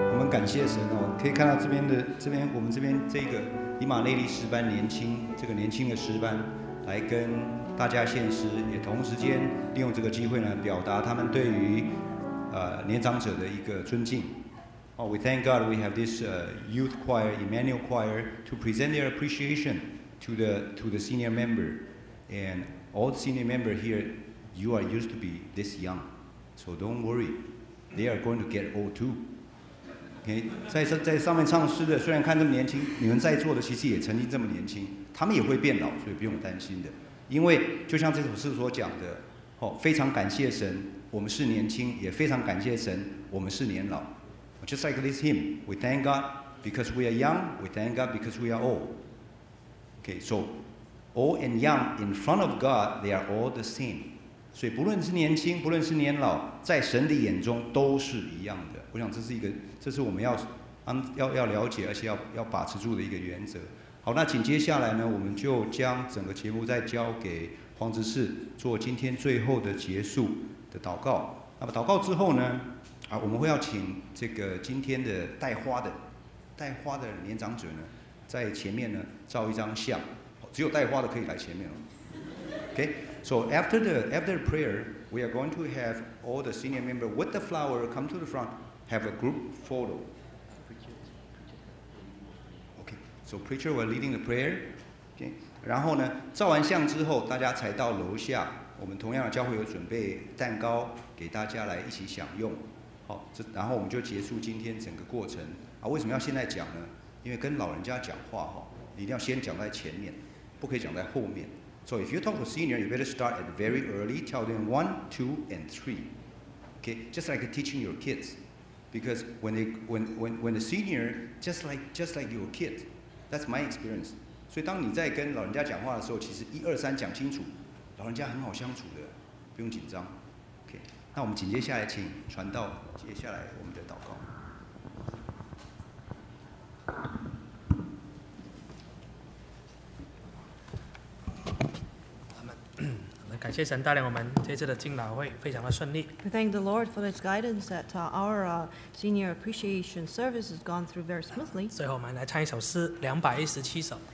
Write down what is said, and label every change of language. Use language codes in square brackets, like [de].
[zh] 感谢神哦，可以看到这边的这边我们这边这个以马内利诗班年轻这个年轻的诗班来跟大家献诗，也同时间利用这个机会呢，表达他们对于年长者的一个尊敬。 [en] Oh, we thank God we have this youth choir, Emmanuel Choir, to present their appreciation to the senior member. And all senior member here, you are used to be this young. So don't worry, they are going to get old too. Okay? [zh] 在上面唱诗的虽然看这么年轻，你们在座的其实也曾经这么年轻，他们也会变老，所以不用担心的。因为就像这首诗所讲的，非常感谢神，我们是年轻，也非常感谢神，我们是年老。 [en] Just like this hymn, we thank God because we are young, we thank God because we are old. Okay, so old and young in front of God, they are all the same. [zh] 所以不论是年轻，不论是年老，在神的眼中都是一样的。我想这是一个，这是我们要了解，而且要把持住的一个原则。好，那紧接下来呢，我们就将整个节目再交给黄执事做今天最后的结束的祷告。那么祷告之后呢，我们会要请这个今天的带花的年长者呢，在前面呢照一张相，只有带花的可以来前面哦。 [en] Okay, so after the prayer, we are going to have all the senior member with the flower come to the front, have a group photo. Okay, so preacher will leading the prayer. [zh] Okay, 然后呢，照完相之后，大家才到楼下，我们同样的教会有准备蛋糕给大家来一起享用。好，然后我们就结束今天整个过程啊。为什么要现在讲呢？因为跟老人家讲话哈，你一定要先讲在前面，不可以讲在后面。 [en] So if you talk to senior, you better start at very early, tell them 1, 2, and 3. Okay, just like teaching your kids, because when the senior just like your kid, that's my experience. [zh] 所以当你在跟老人家讲话的时候，其实一二三讲清楚，老人家很好相处的，不用紧张。 [en] Okay. [zh] 那我们紧接下来请传道接下来我们的祷告。阿们，感谢神带领我们这次的敬老会非常的顺利。 [en] We thank the Lord for His guidance that our senior appreciation service has gone through very smoothly. [zh] 最后我们来唱一首诗，217首。